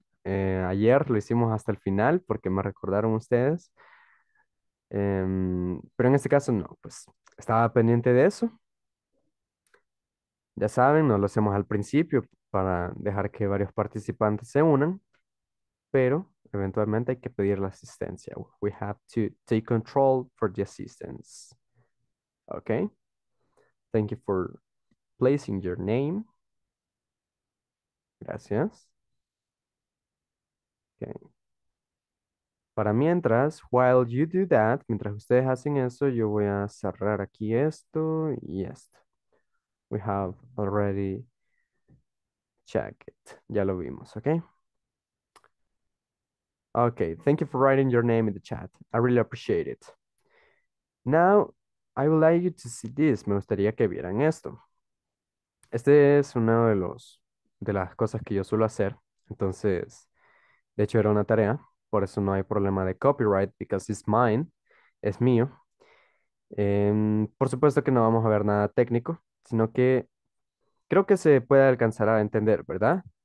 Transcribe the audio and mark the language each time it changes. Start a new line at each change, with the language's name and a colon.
Spanish: Ayer lo hicimos hasta el final porque me recordaron ustedes, pero en este caso no, pues estaba pendiente de eso. Ya saben, no lo hacemos al principio para dejar que varios participantes se unan, pero eventualmente hay que pedir la asistencia.
English: We have to take control for the assistance. Okay. Thank you for placing your name.
Spanish: Gracias. Okay. Para mientras,
English: while you do that,
Spanish: mientras ustedes hacen eso, yo voy a cerrar aquí esto y esto.
English: We have already checked it.
Spanish: Ya lo vimos,
English: okay? Okay, thank you for writing your name in the chat. I really appreciate it. Now, I would like you to see this.
Spanish: Me gustaría que vieran esto. Este es uno de los de las cosas que yo suelo hacer. Entonces, de hecho era una tarea. Por eso no hay problema de copyright,
English: because it's mine.
Spanish: Es mío. Por supuesto que no vamos a ver nada técnico, sino que creo que se puede alcanzar a entender, ¿verdad?